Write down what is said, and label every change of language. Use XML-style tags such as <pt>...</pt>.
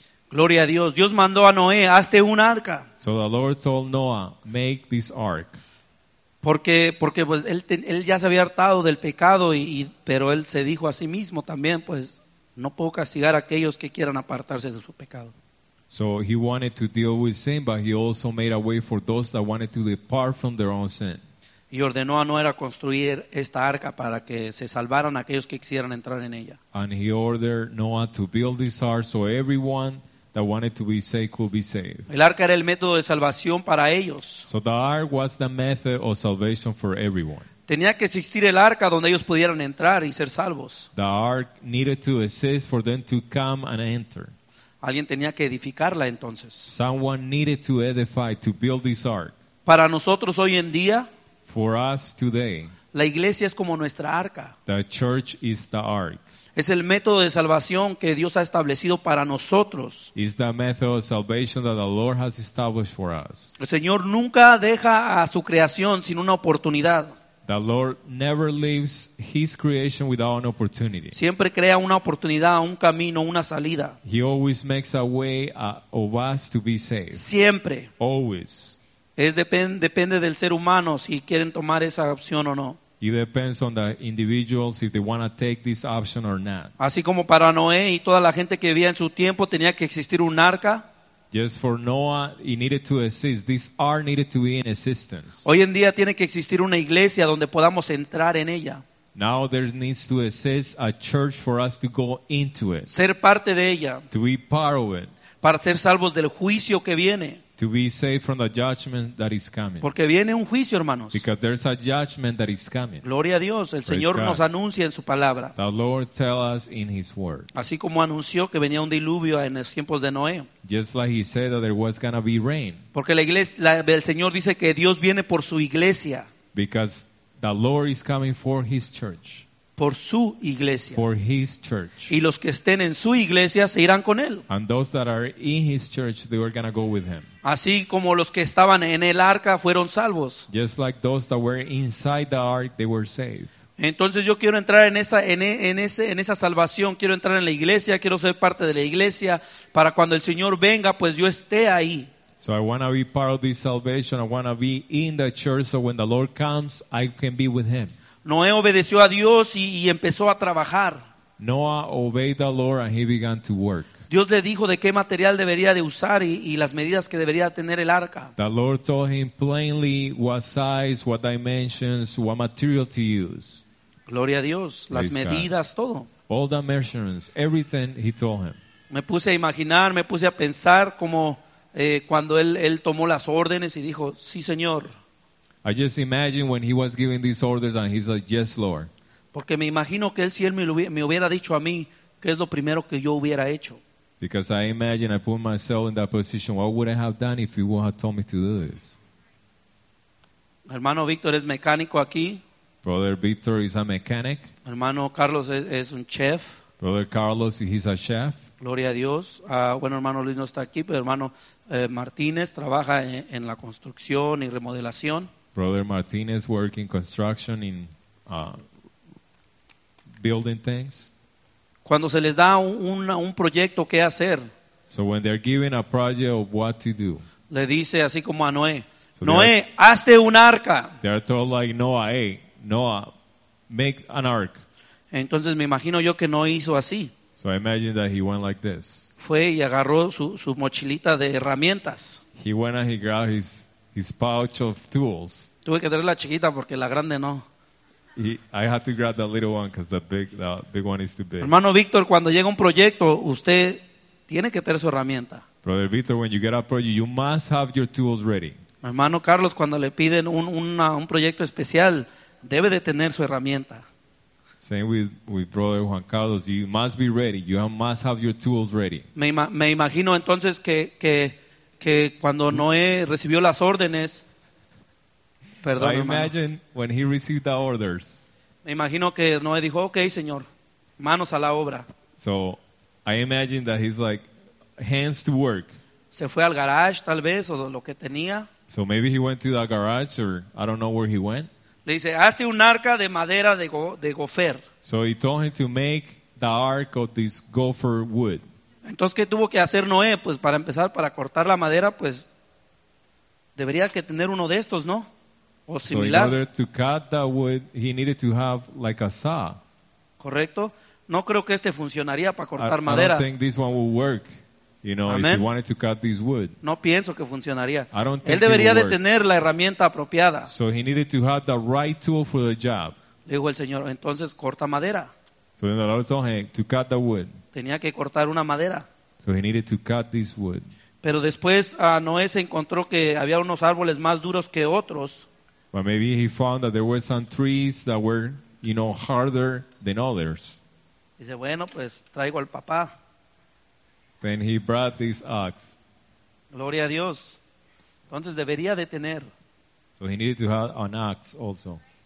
<es>Gloria a Dios. Dios mandó a Noé, hazte un arca.</es> <en>So the Lord told Noah, make this ark.</en> <es>Porque pues él ya se había hartado del pecado, y pero él se dijo a sí mismo también, pues no puedo castigar a aquellos que quieran apartarse de su pecado.</es> <en>So he wanted to deal with sin, but he also made a way for those that wanted to depart from their own sin.</en> <es>Y ordenó a Noé a construir esta arca para que se salvaran aquellos que quisieran entrar en ella.</es> <en>And he ordered Noah to build this ark so everyone that wanted to be saved could be saved.</en> <es>El arca era el método de salvación para ellos.</es> <en>So the ark was the method of salvation for everyone.</en> <es>Tenía que existir el arca donde ellos pudieran entrar y ser salvos.</es> <en>The ark needed to exist for them to come and enter.</en> <es>Alguien tenía que edificarla entonces.</es> <en>Someone needed to edify, to build this ark.</en> <es>Para nosotros hoy en día,</es> <en>for us today,</en> <es>la iglesia es como nuestra arca.</es> <en>The church is the ark.</en> <es>Es el método de salvación que Dios ha establecido para nosotros.</es> <en>It's the method of salvation that the Lord has established for us.</en> <es>El Señor nunca deja a su creación sin una oportunidad.</es> <en>The Lord never leaves His creation without an opportunity.</en> <es>Siempre crea una oportunidad, un camino, una salida.</es> <en>He always makes a way of us to be saved.</en> <es>Siempre.</es> <en>Always.</en> <es>Depende del ser humano si quieren tomar esa opción o no.</es> <en>It depends on the individuals if they want to take this option or not.</en> <es>Así como para Noé y toda la gente que vivía en su tiempo, tenía que existir un arca.</es> <en>Just for Noah, he needed to exist. This ark needed to be in existence.</en> <es>Hoy en día tiene que existir una iglesia donde podamos entrar en ella.</es> <en>Now there needs to exist a church for us to go into it.</en> <es>Ser parte de ella.</es> <en>To be part of it.</en> <es>Para ser salvos del juicio que viene.</es> <en>To be saved from the judgment that is coming.</en> <es>Porque viene un juicio, hermanos.</es> <en>Because there's a judgment that is coming.</en> <es>Gloria a Dios. El Señor nos anuncia en su palabra.</es> <en>The Lord tells us in His word.</en> <es>Así como anunció que venía un diluvio en los tiempos de Noé.</es> <en>Just like He said that there was going to be rain.</en> <es>Porque la iglesia, el Señor dice que Dios viene por su iglesia.</es> <en>Because the Lord is coming for His church.</en> <es>Por su iglesia.</es> <en>For His church.</en> <es>Y los que estén en su iglesia se irán con él.</es> <en>And those that are in His church, they were going to go with Him.</en> <es>Así como los que estaban en el arca fueron salvos.</es> <en>Just like those that were inside the ark, they were saved.</en> <es>Entonces yo quiero entrar en esa salvación. Quiero entrar en la iglesia. Quiero ser parte de la iglesia para cuando el Señor venga, pues yo esté ahí.</es> <en>So I want to be part of this salvation. I want to be in the church so when the Lord comes, I can be with Him.</en> <es>Noé obedeció a Dios y empezó a trabajar.</es> <en>Noah obeyed the Lord and he began to work.</en> <es>Dios le dijo de qué material debería de usar y las medidas que debería tener el arca.</es> <en>The Lord told him plainly what size, what dimensions, what material to use.</en> <es>Gloria a Dios, las medidas, todo.</es> <en>All the measurements, everything he told him.</en> <es>Me puse a imaginar, me puse a pensar como cuando él tomó las órdenes y dijo, sí, Señor.</es> <en>I just imagine when he was giving these orders and he's like, yes, Lord.</en> <es>Porque me imagino que él, si él me hubiera dicho a mí, ¿qué es lo primero que yo hubiera hecho?</es> <en>Because I imagine I put myself in that position. What would I have done if he would have told me to do this?</en> <es>Hermano Víctor es mecánico aquí.</es> <en>Brother Víctor is a mechanic.</en> <es>Hermano Carlos es un chef.</es> <en>Brother Carlos, he's a chef.</en> <es>Gloria a Dios. Bueno, hermano Luis no está aquí, pero hermano Martínez trabaja en la construcción y remodelación.</es> <en>Brother Martínez working construction in building things.</en> <es>Cuando se les da un proyecto qué hacer.</es> <en>So when they're given a project of what to do.</en> <es>Le dice así como a Noé, So Noé, hazte un arca.</es> <en>They're told like Noah, hey, Noah, make an ark.</en> <es>Entonces me imagino yo que no hizo así.</es> <en>So I imagine that he went like this.</en> <es>Fue y agarró su mochilita de herramientas.</es> <en>He went and he grabbed his pouch of tools.</en> <es>Tuve que traer la chiquita porque la grande no.</es> <en>I had to grab the little one because the big one is too big.</en> <es>Hermano Víctor, cuando llega un proyecto, usted tiene que tener su herramienta.</es> <en>Brother Victor, when you get a project, you must have your tools ready.</en> <es>Hermano Carlos, cuando le piden un proyecto especial, debe de tener su herramienta.</es> <en>Same with Brother Juan Carlos, you must be ready. You must have your tools ready.</en> <es>Me imagino entonces que cuando Noé recibió las órdenes, perdón,</es> <en>I imagine</en> <es>hermano,</es> <en>when he received the orders.</en> <es>Me imagino que Noé dijo, okay, señor, manos a la obra.</es> <en>So I imagine that he's like hands to work.</en> <es>Se fue al garage, tal vez, o lo que tenía.</es> <en>So maybe he went to that garage, or I don't know where he went.</en> <es>Le dice, hazte un arca de madera de gofer.</es> <en>So he told him to make the ark of this gopher wood.</en> <es>Entonces, ¿qué tuvo que hacer Noé? Pues para empezar, para cortar la madera, pues debería que tener uno de estos, ¿no? O similar.</es> <en>So in order to cut that wood, he needed to have like a saw.</en> <es>Correcto. No creo que este funcionaría para cortar madera.</es> <en>I don't think this one will work. You know, amen. If you wanted to cut this wood.</en> <es>No pienso que funcionaría.</es> <en>I don't think</en> <es>él debería</es> <en>it</en> <es>de</es> <en>work.</en> <es>Tener la herramienta apropiada.</es> <en>So he needed to have the right tool for the job.</en> <es>Dijo el Señor, entonces corta madera.</es> <en>So then the Lord told him to cut the wood.</en> <es>Tenía que cortar una madera.</es> <en>So he needed to cut this wood.</en> <es>Pero después Noé se encontró que había unos árboles más duros que otros.</es> <en>But maybe he found that there were some trees that were, you know, harder than others.</en> <es>Dice, bueno, pues traigo al papá.</es> <en>Then he brought this ox.</en> <es>Gloria a Dios. Entonces debería de tener.</es> <en>So he needed to have an ox also.</en>